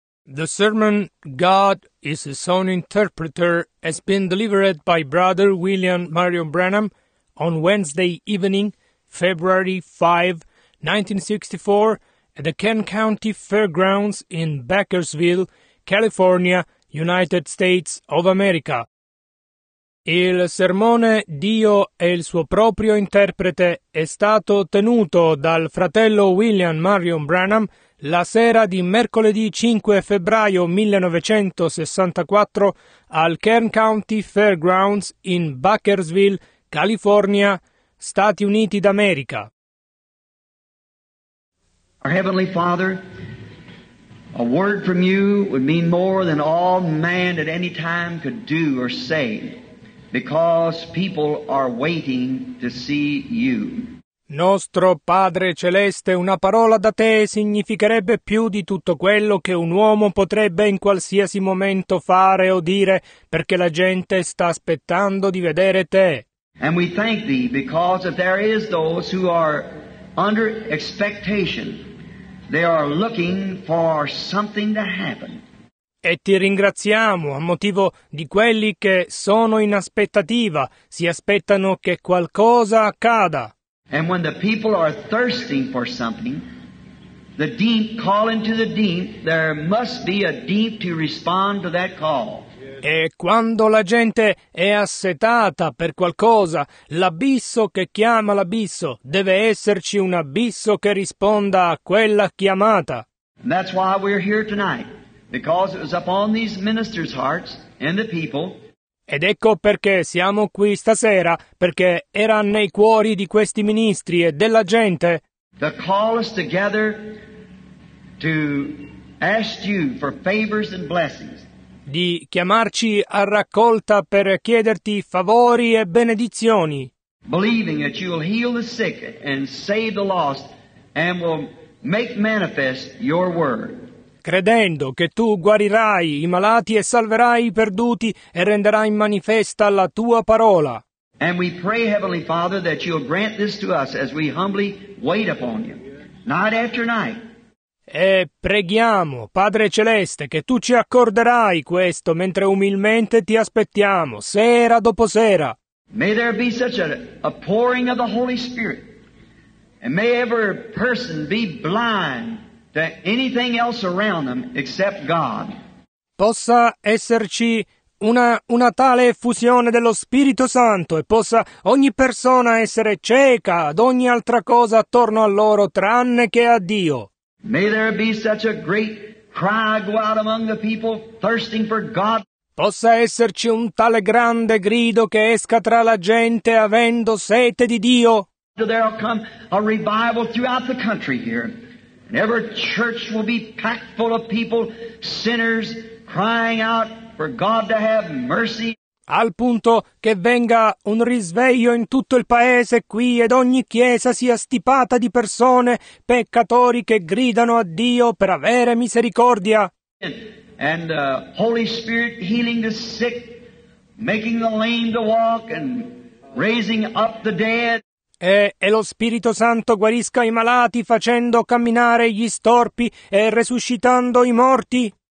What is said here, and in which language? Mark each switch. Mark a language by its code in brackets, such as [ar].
[en] The sermon, God is His Own Interpreter, has been delivered by Brother William Marion Branham on Wednesday evening, February 5, 1964, at the Kent County Fairgrounds in Bakersfield, California, United States of America. [it] Il sermone Dio è il suo proprio interprete è stato tenuto dal fratello William Marion Branham la sera di mercoledì 5 febbraio 1964 al Kern County Fairgrounds in Bakersfield, California, Stati Uniti d'America. [en] Our Heavenly Father, a word from you would mean more than all man at any time could do or say, because people are waiting to see you. [it] Nostro Padre Celeste, una parola da te significherebbe più di tutto quello che un uomo potrebbe in qualsiasi momento fare o dire, perché la gente sta aspettando di vedere te. [en] And we thank thee because if there is those who are under expectation, they are looking for something to happen. [it] E ti ringraziamo a motivo di quelli che sono in aspettativa, si aspettano che qualcosa accada. [en] And when the people are thirsting for something, the deep calling to the deep, there must be a deep to respond to that call. [it] E quando la gente è assetata per qualcosa, l'abisso che chiama l'abisso, deve esserci un abisso che risponda a quella chiamata. [en] And that's why we're here tonight. Because it was upon these ministers' hearts and the people. [it] Ed ecco perché siamo qui stasera, perché era nei cuori di questi ministri e della gente. [en] The call is together to ask you for favors and blessings. [it] Di chiamarci a raccolta per chiederti favori e benedizioni. [en] Believing that you will heal the sick and save the lost and will make manifest your word. [it] Credendo che tu guarirai i malati e salverai i perduti e renderai manifesta la tua parola. [en] And we pray, Heavenly Father, that you'll grant this to us as we humbly wait upon you, night after night. [it] E preghiamo, Padre Celeste, che tu ci accorderai questo mentre umilmente ti aspettiamo, sera dopo sera. [en] May there be such a pouring of the Holy Spirit, and may every person be blind to anything else around them except God. [it] Possa esserci una tale effusione dello Spirito Santo e possa ogni persona essere cieca ad ogni altra cosa attorno a loro tranne che a Dio. [en] May there be such a great cry go out among the people thirsting for God. [it] Possa esserci un tale grande grido che esca tra la gente avendo sete di Dio. [en] There will come a revival throughout the country here. And every church will be packed full of people, sinners, crying out for God to have mercy. [it] Al punto che venga un risveglio in tutto il paese qui ed ogni chiesa sia stipata di persone, peccatori che gridano a Dio per avere misericordia. [en] And Holy Spirit healing the sick, making the lame to walk and raising up the dead. [it] E lo Spirito Santo guarisca i malati facendo camminare gli storpi e resuscitando i morti.